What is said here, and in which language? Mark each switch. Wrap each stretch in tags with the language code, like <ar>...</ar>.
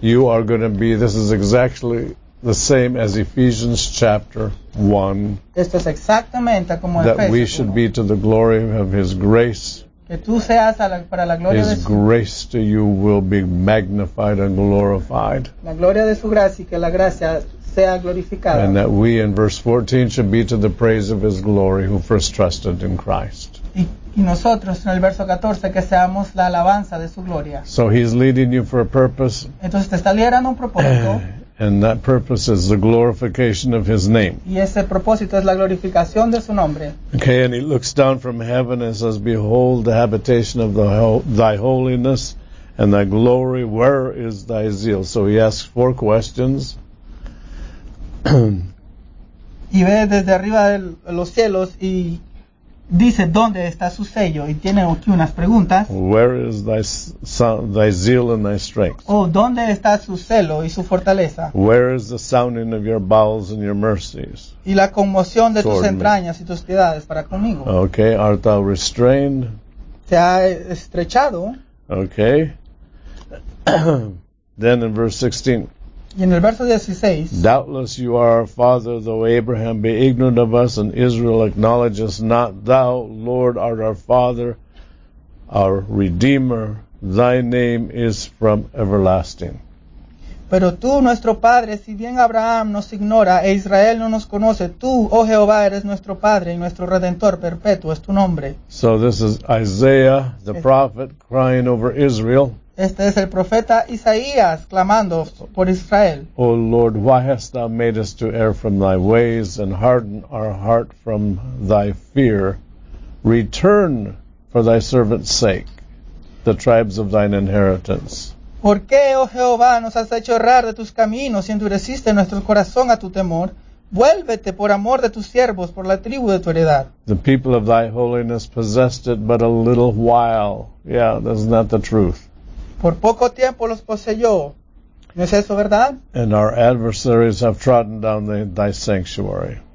<en>You are going to be, this is exactly the same as Ephesians chapter 1.</en> <es>Esto es exactamente como Efesios 1.</es> <en>That we should be to the glory of his grace.</en> <es>Que tú seas para la gloria</es> <en>His</en> <es>de su</es> <en>grace to you will be magnified and glorified.</en> <es>La gloria de su gracia y que la gracia sea glorificada.</es> <en>And that we in verse 14 should be to the praise of his glory who first trusted in Christ.</en> <es>Y nosotros en el verso 14 que seamos la alabanza de su gloria.</es> <en>So he's leading you for a purpose.</en> <es>Entonces te está liderando un propósito.</es> <en>And that purpose is the glorification of his name.</en> <es>Y ese propósito es la glorificación de su nombre.</es> <en>Okay, and he looks down from heaven and says, Behold the habitation of thy holiness and thy glory, where is thy zeal? So he asks four questions.</en> <es>Y ve desde arriba de los cielos y dice, ¿dónde está su sello? Y tiene aquí unas preguntas.</es> <en>Where is thy zeal and thy strength?</en> <es>Oh, ¿dónde está su celo y su fortaleza?</es> <en>Where is the sounding of your bowels and your mercies?</en> <es>Y la conmoción de tus entrañas y tus piedades para conmigo.</es> <en>Okay, art thou restrained?</en> <es>Te ha estrechado.</es> <en>Okay. Then in verse 16.</en> <es>Y en el verso 16,</es> <en>Doubtless you are our father, though Abraham be ignorant of us, and Israel acknowledge us not. Thou, Lord, art our father, our redeemer. thy name is from everlasting.</en> <es>Pero tú, nuestro Padre, si bien Abraham nos ignora e Israel no nos conoce, tú, oh Jehová, eres nuestro Padre y nuestro Redentor perpetuo, es tu nombre.</es> <en>So this is Isaiah, the prophet, crying over Israel.</en> <es>Este es el profeta Isaías, clamando por Israel.</es> <en>Oh Lord, why hast thou made us to err from thy ways and harden our heart from thy fear? Return for thy servant's sake, the tribes of thine inheritance.</en> <es>¿Por qué, oh Jehová, nos has hecho errar de tus caminos y endureciste nuestro corazón a tu temor? Vuélvete por amor de tus siervos, por la tribu de tu heredad.</es> <en>The people of thy holiness possessed it but a little while. Yeah, that's not the truth.</en> <es>Por poco tiempo los poseyó. ¿No es eso verdad?</es> <en>And our adversaries have trodden down thy sanctuary.</en>